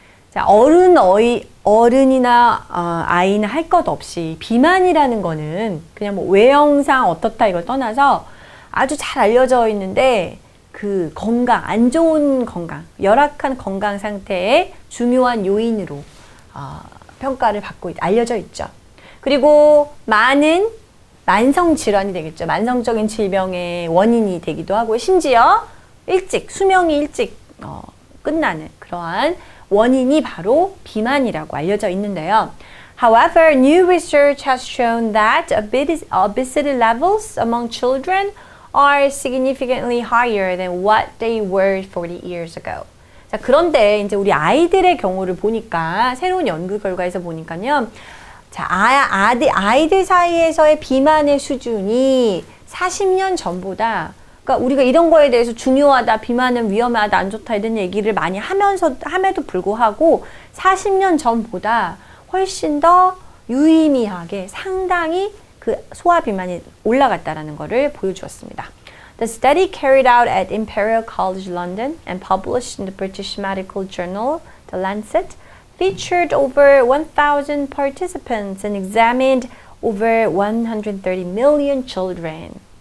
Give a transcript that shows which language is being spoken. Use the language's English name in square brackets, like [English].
[Korean] 자, 어른이나 아이나 할 것 없이 비만이라는 거는 그냥 뭐 외형상 어떻다 이걸 떠나서 아주 잘 알려져 있는데 그 건강, 안 좋은 건강, 열악한 건강 상태의 중요한 요인으로 평가를 받고 알려져 있죠. 그리고 많은 만성질환이 되겠죠. 만성적인 질병의 원인이 되기도 하고 심지어 수명이 일찍 끝나는 그러한 원인이 바로 비만이라고 알려져 있는데요. [English] However, new research has shown that obesity levels among children are significantly higher than what they were 40 years ago. [Korean] 자, 그런데 이제 우리 아이들의 경우를 보니까 새로운 연구 결과에서 보니까요. 자, 아이들 사이에서의 비만의 수준이 40년 전보다 그러니까 우리가 이런 거에 대해서 중요하다, 비만은 위험하다, 안 좋다 이런 얘기를 많이 함에도 불구하고 40년 전보다 훨씬 더 유의미하게 상당히 그 소아 비만이 올라갔다라는 거를 보여주었습니다. [English] The study carried out at Imperial College London and published in the British medical journal, The Lancet, featured over 1,000 participants and examined over 130 million children.